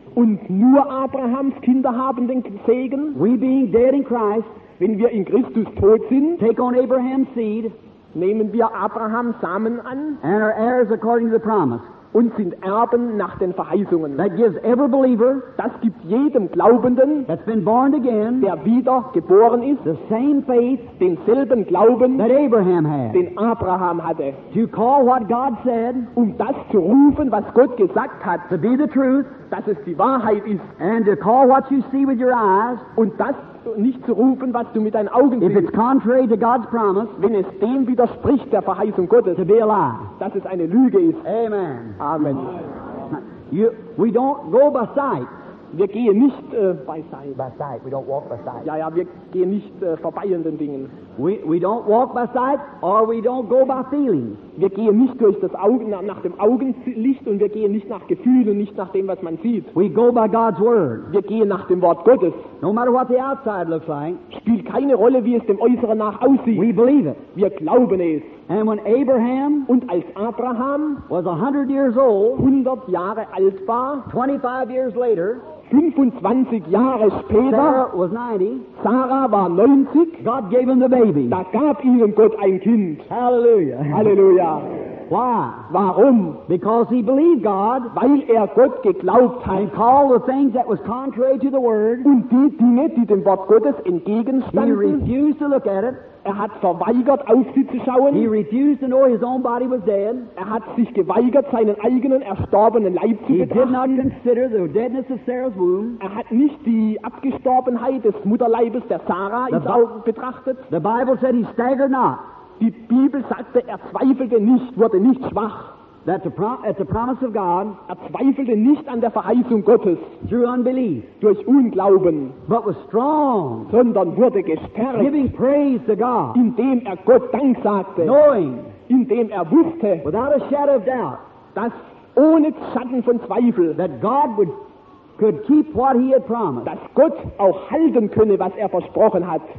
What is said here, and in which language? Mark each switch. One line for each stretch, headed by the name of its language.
German: Und nur Abrahams Kinder haben den Segen.
English: We being dead in Christ,
German: wenn wir in Christus tot sind,
English: take on Abraham's seed,
German: nehmen wir Abrahams Samen an,
English: and are heirs according to the promise,
German: und sind Erben nach den Verheißungen.
English: That gives every believer,
German: das gibt jedem Glaubenden,
English: that's been born again,
German: der wieder geboren ist,
English: the same faith,
German: denselben Glauben,
English: that Abraham had,
German: den Abraham hatte,
English: to call what God said,
German: um das zu rufen, was Gott gesagt hat,
English: to be the truth,
German: dass es die Wahrheit ist,
English: and to call what you see with your eyes,
German: und das nicht zu rufen, was du mit deinen Augen siehst.
English: If it's contrary to God's promise,
German: wenn es dem widerspricht, der Verheißung Gottes,
English: to be a lie,
German: dass es eine Lüge ist.
English: Amen.
German: Amen.
English: We don't go by sight.
German: Wir gehen nicht
English: by sight. By sight. We don't walk by sight.
German: Ja, ja, wir gehen nicht vorbei an den Dingen.
English: We don't walk by sight or we don't go by feeling.
German: Wir gehen nicht durch das Augen nach dem Augenlicht und wir gehen nicht nach Gefühlen und nicht nach dem, was man sieht.
English: We go by God's word.
German: Wir gehen nach dem Wort Gottes.
English: No matter what the outside looks like.
German: Spielt keine Rolle, wie es dem Äußeren nach aussieht.
English: We believe it.
German: Wir glauben es.
English: And when Abraham,
German: und als Abraham
English: was 100 years old,
German: 100 Jahre alt war,
English: 25 years later,
German: 25 Jahre später,
English: Sarah was 90,
German: Sarah war 90,
English: God gave him the baby.
German: Da gab ihnen Gott ein Kind.
English: Hallelujah.
German: Hallelujah.
English: Why?
German: Warum?
English: Because he believed God.
German: Weil Gott geglaubt hat.
English: And called the things that was contrary to the word.
German: Und die Dinge, die dem Wort Gottes entgegenstanden.
English: He refused to look at it.
German: Er hat verweigert, auf sie zu schauen.
English: He refused to know his own body was dead.
German: Er hat sich geweigert, seinen eigenen erstorbenen Leib zu betrachten.
English: He did not consider the deadness of Sarah's womb.
German: Er hat nicht die Abgestorbenheit des Mutterleibes der Sarah betrachtet.
English: The Bible said he staggered not.
German: Die Bibel sagte, er zweifelte nicht, wurde nicht schwach.
English: That at the promise of God,
German: er zweifelte nicht an der Verheißung Gottes.
English: Through unbelief,
German: durch Unglauben.
English: But was strong,
German: sondern wurde gestärkt.
English: Giving praise to God,
German: indem Gott Dank sagte.
English: Knowing,
German: indem wusste.
English: Without a shadow of doubt,
German: dass ohne Schatten von Zweifel.
English: That God could keep what he had promised.
German: Dass Gott auch halten könne, was versprochen hat.